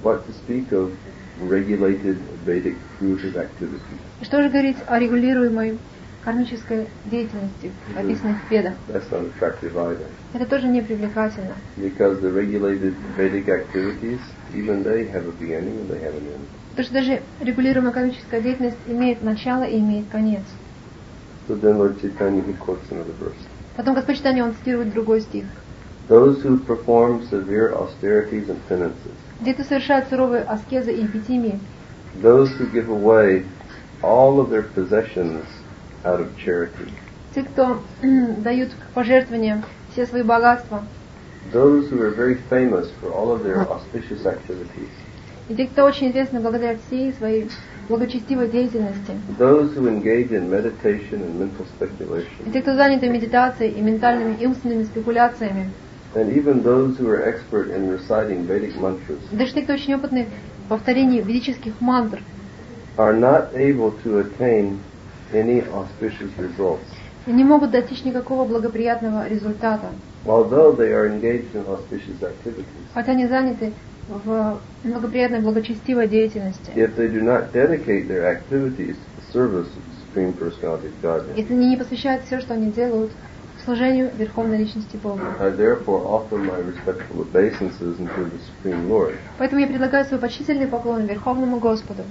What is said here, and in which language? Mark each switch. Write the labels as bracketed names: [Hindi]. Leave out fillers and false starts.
[English] What to speak of regulated Vedic fruitive activity. [Russian] Что же говорить о регулируемой кармической деятельности, описанной в Ведах? [English] That's not attractive either. [Russian] Это тоже не привлекательно. [English] Because the regulated Vedic activities, even they have a beginning and they have an end. [Russian] Потому что даже регулируемая кармическая деятельность имеет начало и имеет конец. [English] So then Lord Chaitanya quotes another verse. [Russian] Потом Господь Читания, он цитирует другой стих. [English] Those who perform severe austerities and penances. [Russian] Те, кто совершает суровые аскезы и эпитимии. [English] Those who give away all of their possessions out of charity. [Russian] Те, кто дают пожертвования все свои богатства. [English] Those who are very famous for all of their auspicious activities. [Russian] те, кто очень известны благодаря всей своей благочестивой деятельности. [English] Those who engage in meditation and mental speculation. [Russian] И те, кто заняты медитацией и ментальными и умственными спекуляциями. [English] And even those who are expert in reciting Vedic mantras. [Russian] Даже те, кто очень опытный в повторении ведических мантр. [English] Are not able to attain any auspicious results. [Russian] И не могут достичь никакого благоприятного результата. [English] Although they are engaged in auspicious activities. [Russian] Хотя они заняты в благоприятной благочестивой деятельности. [English] If they do not dedicate their activities to the service of the Supreme Personality of Godhead. [Russian] Если они не посвящают все, что они делают, служению Верховной Личности Бога. [English] I therefore offer my respectful obeisances unto the Supreme Lord. [Russian] Поэтому я предлагаю свой почтительный поклон Верховному Господу.